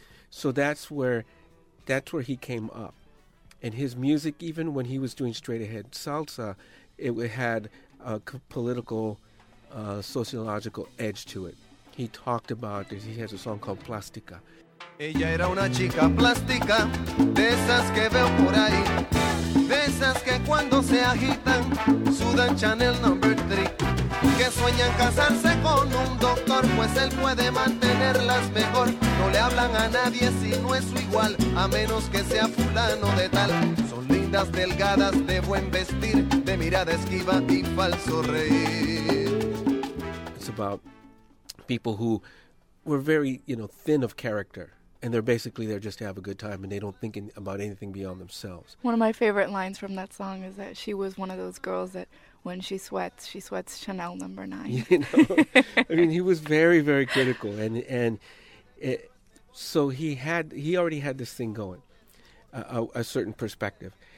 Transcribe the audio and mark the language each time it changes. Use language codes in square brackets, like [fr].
[en] So that's where he came up. And his music, even when he was doing straight ahead salsa, it had a political, sociological edge to it. He talked about it. He has a song called Plástica. [es] Ella era una chica plástica, de esas que veo por ahí. De esas que cuando se agitan, sudan Chanel number 3. Que sueñan casarse con un doctor, pues él puede mantenerlas mejor. No le hablan a nadie si no es su igual, a menos que sea fulano de tal. Son lindas, delgadas, de buen vestir, de mirada esquiva y falso reír. [en] It's about people who were very, you know, thin of character. And they're basically there just to have a good time, and they don't think about anything beyond themselves. One of my favorite lines from that song is that she was one of those girls that when she sweats Chanel number 9. You know? I mean, he was very, very critical. So he already had this thing going, a certain perspective.